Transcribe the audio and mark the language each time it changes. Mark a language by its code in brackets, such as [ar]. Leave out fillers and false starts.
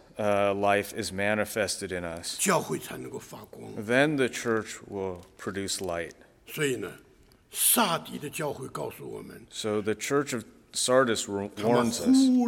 [en] life is manifested in us, then the church will produce light. [zh] 所以呢, 撒底的教会告诉我们, [en] so the church of Sardis warns us.